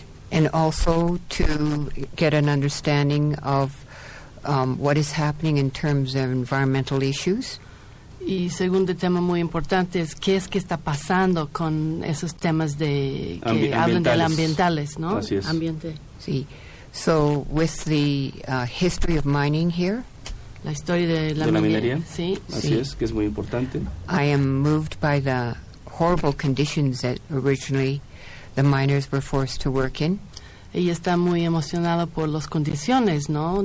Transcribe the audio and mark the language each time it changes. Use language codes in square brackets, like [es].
[en] And also to get an understanding of what is happening in terms of environmental issues. [es] Y segundo tema muy importante es qué es que está pasando con esos temas de que hablan de ambientales, ¿no? Así es. Ambiente. [en] Sí. So with the history of mining here, [es] la historia de la minería. Sí. Así sí. Es, que es muy importante. [en] I am moved by the horrible conditions that originally the miners were forced to work in. [es] Ella está muy emocionada por las condiciones, ¿no?